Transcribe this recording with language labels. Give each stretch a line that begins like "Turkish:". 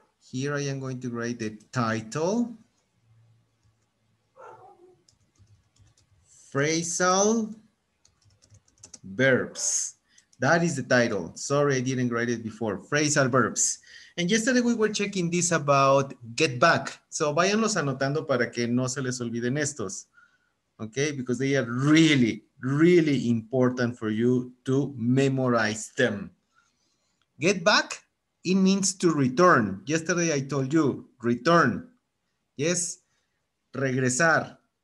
English: Here I am going to write the title, phrasal verbs. That is the title. Sorry, I didn't write it before. Phrasal verbs. And yesterday we were checking this about get back.
Spanish: So váyanlos anotando para que no se les olviden estos.
English: Okay, because they are really, really important for you to memorize them. Get back, it means to return. Yesterday I told you, return.
Spanish: Yes, regresar.